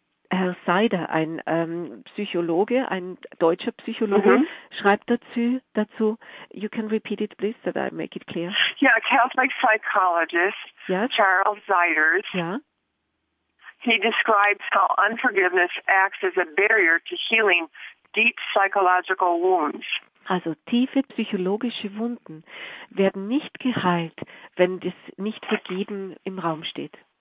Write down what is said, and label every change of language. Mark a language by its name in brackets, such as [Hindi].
[German] Herr Seider, ein Psychologe, ein deutscher Psychologe, schreibt dazu, [English] you can repeat it please, so that I make it clear. Yeah, a Catholic psychologist, yes. Charles Seider, he describes how unforgiveness acts as a barrier to healing deep psychological wounds. [German] Also tiefe psychologische Wunden werden nicht geheilt, wenn das Nicht-Vergeben im Raum steht.